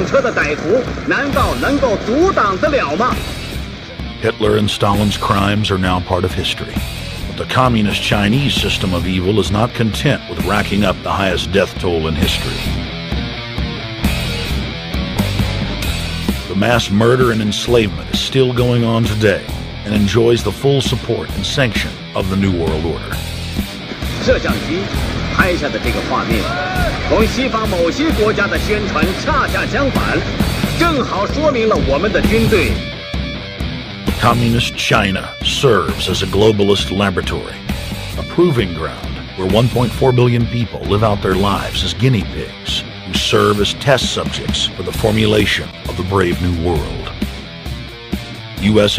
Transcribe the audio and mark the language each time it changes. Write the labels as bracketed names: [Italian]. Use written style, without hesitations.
[Chinese] 如果我们的铁骑继续前进，这个螳臂挡车的歹徒难道能够阻挡得了吗？ [English] Hitler and Stalin's crimes are now part of history. But the communist Chinese system of evil is not content with racking up the highest death toll in history. The mass murder and enslavement is still going on today and enjoys the full support and sanction of the New World Order. [Chinese] 摄像机拍下的这个画面，同西方某些国家的宣传恰恰相反，正好说明了我们的军队 [English] Communist China serves as a globalist laboratory, a proving ground where 1.4 billion people live out their lives as guinea pigs who serve as test subjects for the formulation of the brave new world. U.S.